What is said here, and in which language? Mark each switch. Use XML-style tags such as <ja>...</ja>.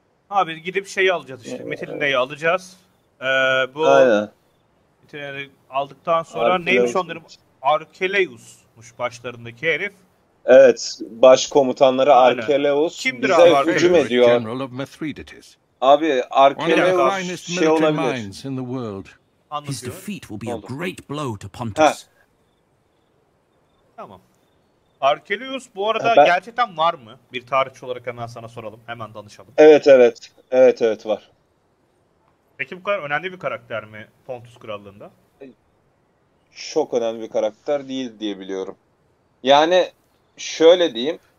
<tr>Abi gidip şeyi alacağız işte. Metin'in neyi alacağız? Bu Metin'i aldıktan sonra neymiş onların? Arkeleus'muş başlarındaki herif. Evet, başkomutanları Arkeleus. Kimdir bize hücum ediyor. Abi Arkeleus şey olabilir.</tr> <en>His defeat will be a great blow to Pontus.</en> <tr>Tamam. Arkeleus bu arada gerçekten var mı? Bir tarihçi olarak hemen sana soralım. Hemen danışalım. Evet evet. Evet evet var. Peki bu kadar önemli bir karakter mi Pontus krallığında? Çok önemli bir karakter değil diye biliyorum. Yani şöyle diyeyim.</tr>